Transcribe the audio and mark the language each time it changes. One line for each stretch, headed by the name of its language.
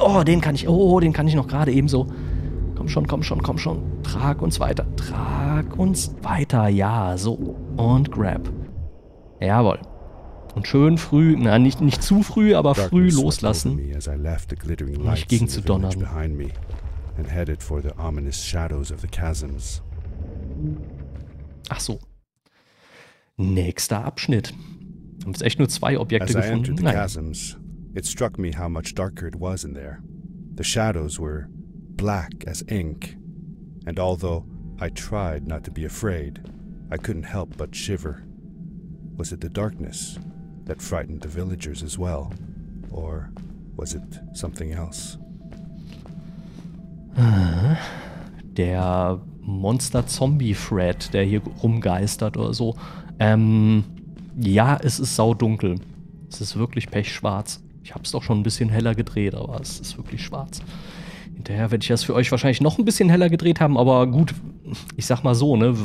German: Oh, den kann ich noch gerade ebenso. Komm schon. Trag uns weiter. Ja, so. Und grab. Jawohl. Und schön früh, nicht zu früh, aber früh loslassen. Nicht gegen zu donnern.
English: And headed for the ominous shadows of the chasms.
German: Ach so. Nächster Abschnitt. Haben wir jetzt echt nur 2 Objekte gefunden?
English: As I entered the chasms, it struck me how much darker it was in there. The shadows were black as ink. And although I tried not to be afraid, I couldn't help but shiver. Was it the darkness that frightened the villagers as well? Or was it something else?
German: Der Monster-Zombie-Fred, der hier rumgeistert oder so. Ja, es ist saudunkel. Es ist wirklich pechschwarz. Ich hab's doch schon ein bisschen heller gedreht, aber es ist wirklich schwarz. Hinterher werde ich das für euch wahrscheinlich noch ein bisschen heller gedreht haben, aber gut, ich sag mal so, ne?